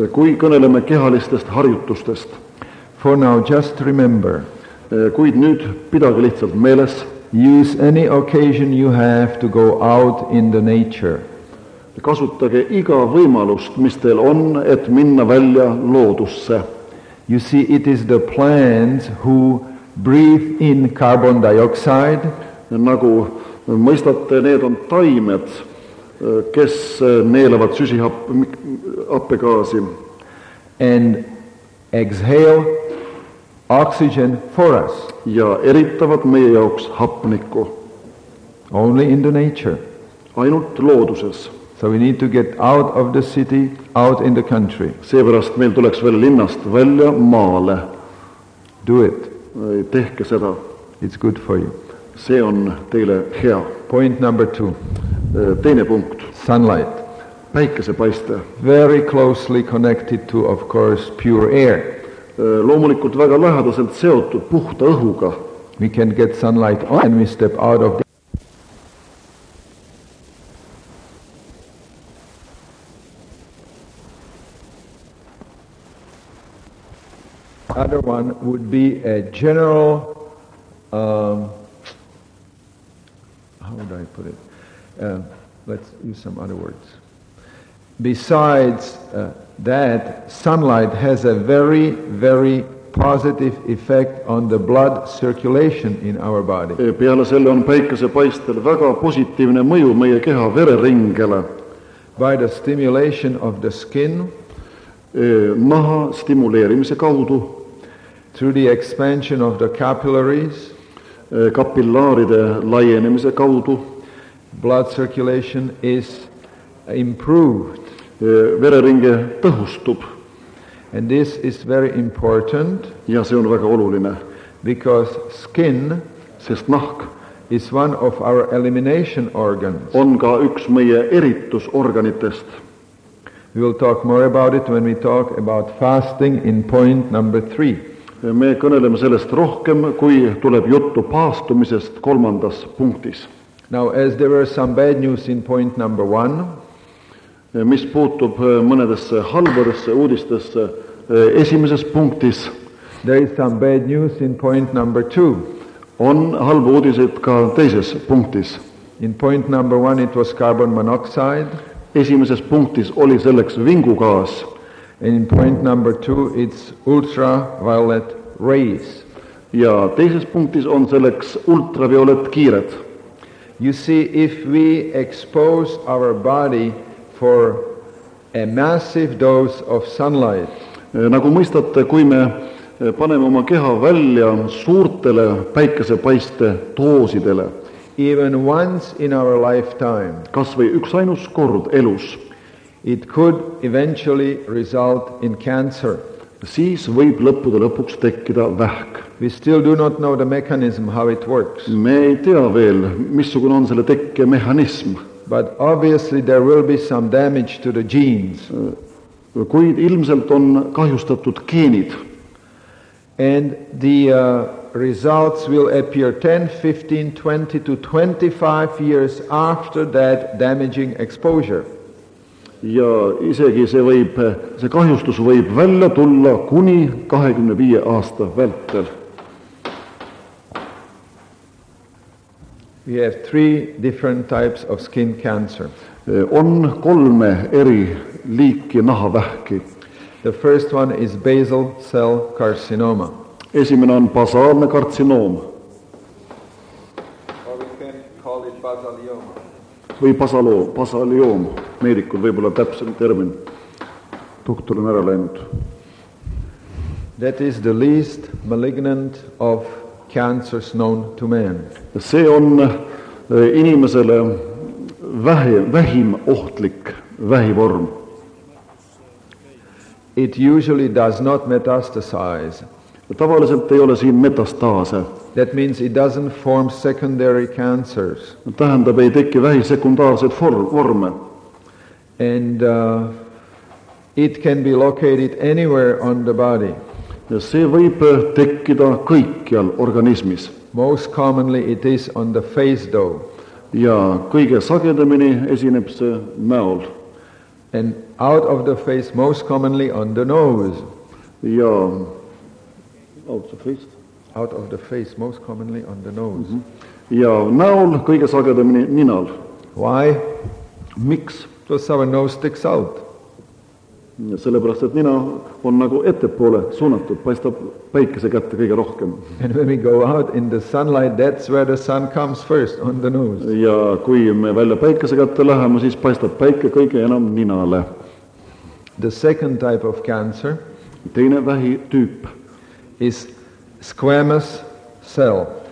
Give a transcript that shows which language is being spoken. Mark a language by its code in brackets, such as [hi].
[et] Kui kõneleme kehalistest harjutustest. [en] For now just remember. [et] Kuid nüüd pidage lihtsalt meeles. [en] Use any occasion you have to go out in the nature. [et] Kasutage iga võimalust, mis teil on, et minna välja loodusse. [en] You see, it is the plants who breathe in carbon dioxide. [et] Nagu mõistate, need on taimed, kes neelevad süsihappegaasi. [en] And exhale oxygen for us. [et] Ja eritavad meie jaoks hapnikku. [en] Only in the nature. [et] Ainult looduses. [en] So we need to get out of the city, out in the country. [et] Seepärast meil tuleks veel linnast välja maale. [en] Do it. [et] Tehke seda. [en] It's good for you. [et] See on teile hea. [en] Point number 2. [et] Teine punkt. [en] Sunlight. [et] Päikese paiste. [en] Very closely connected to, of course, pure air. [et] Loomulikult väga lähedaselt seotud puhta õhuga. [en] We can get sunlight on and we step out of the... Another one would be a general, how would I put it? Let's use some other words. Besides that, sunlight has a very, very positive effect on the blood circulation in our body. [et] Peale selle on päikese paistel väga positiivne mõju meie keha vereringele. [en] By the stimulation of the skin, [et] maha stimuleerimise kaudu, [en] through the expansion of the capillaries, [et] kapillaaride laienemise kaudu, [en] blood circulation is improved. [et] Vereringe tõhustub. [en] And this is very important. [et] Ja see on väga oluline. [en] Because skin, [et] sest nahk, [en] is one of our elimination organs. [et] On ka üks meie eritusorganitest. [en] We will talk more about it when we talk about fasting in point number 3. [et] Me kõneleme sellest rohkem, kui tuleb juttu paastumisest kolmandas punktis. [en] Now, as there were some bad news in point number 1, [et] mis puutub mõnedesse halvadesse uudistesse esimeses punktis, [en] there is some bad news in point number 2. [et] On halva uudised ka teises punktis. [en] In point number 1 it was carbon monoxide. [et] Esimeses punktis oli selleks vingugaas. [en] In point number 2 it's ultraviolet rays. [et] Ja teises punktis on selleks ultraviolet kiired. [en] You see, if we expose our body for a massive dose of sunlight. [et] Nagu mõistate, kui me paneme oma keha välja suurtele päikesepaiste doosidele. [en] Even once in our lifetime. [et] Kas või üks ainus kord elus. [en] It could eventually result in cancer. [et] Siis võib lõppude lõpuks tekkida vähk. [en] We still do not know the mechanism how it works. [et] Me ei tea veel, missugune on selle tekke mehanism. [en] But obviously there will be some damage to the genes. [et] Kuid ilmselt on kahjustatud geenid. [en] And the results will appear 10, 15, 20 to 25 years after that damaging exposure. [et] Ja isegi see kahjustus võib välja tulla kuni 25 aasta vältel. [en] We have 3 different types of skin cancer. [et] On kolme eri liiki nahavähki. [en] The first one is basal cell carcinoma. [et] Esimene on basaalne karsinoom. [en] Or we can call it basalioma. [et] Või basalioom. Meerikul võib olla täpsem termin. Doktor on ära läinud. [en] That is the least malignant of cancers known to man. [et] See on inimesele vähim ohtlik vähivorm. [en] It usually does not metastasize. [et] Tavaliselt ei ole siin metastaase. [en] That means it doesn't form secondary cancers. [et] Tähendab, ei teki vähisekundaarseid vorme. [en] And it can be located anywhere on the body. [et] Ja see võib tekkida kõikjal organismis. [en] Most commonly it is on the face though. [et] Ja kõige sagedamini esineb see näol. [en] And out of the face most commonly on the nose. Ja out of the face. Out of the face, most commonly on the nose. Mm-hmm. [et] Ja näol kõige sagedamini ninal. [en] Why? [et] Miks? [en] Because our nose sticks out. [et] Ja sellepärast, et nina on nagu ettepoole suunatud, paistab päikese kätte kõige rohkem. [en] And when we go out in the sunlight, that's where the sun comes first, on the nose. [et] Ja kui me välja päikese kätte läheme, siis paistab päike kõige enam ninale. [en] The second type of cancer, [et] teine vähi tüüp, [en] is squamous cell.